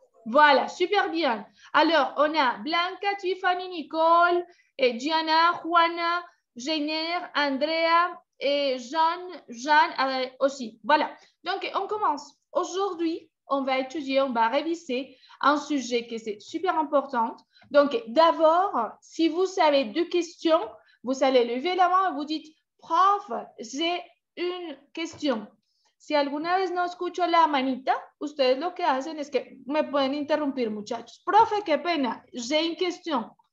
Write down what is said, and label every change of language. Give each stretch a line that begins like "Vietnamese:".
French: Voilà, super bien. Alors, on a Blanca, Tiffany, Nicole, et Gianna, Juana, Jenner, Andrea et Jeanne aussi. Voilà, donc on commence. Aujourd'hui, on va étudier, on va réviser un sujet qui est super important. Donc d'abord, si vous avez deux questions, vous allez lever la main et vous dites « Prof, j'ai une question ».
Spanish: Si alguna vez no escucho la manita, ustedes lo que hacen es que me pueden interrumpir, muchachos. Profe, qué pena,
French: j'ai une question.